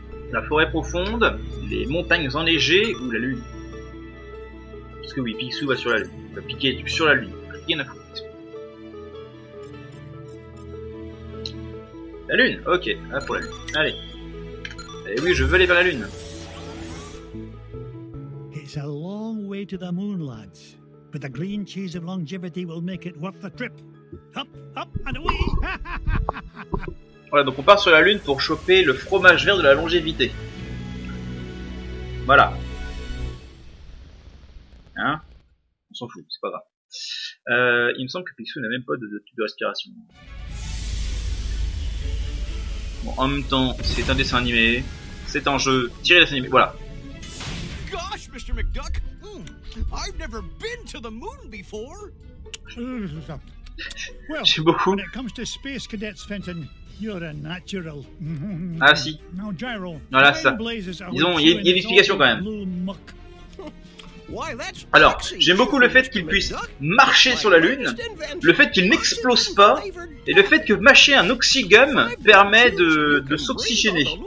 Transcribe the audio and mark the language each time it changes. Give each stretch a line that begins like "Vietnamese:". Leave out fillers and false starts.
French: La forêt profonde, les montagnes enneigées ou la Lune. Parce que oui, Picsou va sur la Lune. Il va piquer sur la Lune. Rien à foutre. La Lune. Ok, là pour la Lune. Allez. Et oui, je veux aller vers la Lune.
English: It's a long way to the moon, lads. But the green cheese of longevity will make it worth the trip. Hop, hop, and away!
French: Voilà, donc on part sur la lune pour choper le fromage vert de la longévité. Voilà. Hein? On s'en fout, c'est pas grave. Il me semble que Picsou n'a même pas de tube de respiration. Bon, en même temps, c'est un dessin animé. C'est un jeu tiré dessin animé. Voilà.
English: Mr. McDuck, I've never been to the moon before.
French: Well, j'ai beaucoup.
English: When it comes to space cadets, Fenton, you're a natural.
French: Ah si.
English: Now gyro.
French: Voilà ça. Disons, il y a une explication quand même. Alors, j'aime beaucoup le fait qu'il puisse marcher sur la lune, le fait qu'il n'explose pas, et le fait que mâcher un oxygum permet de s'oxygéner.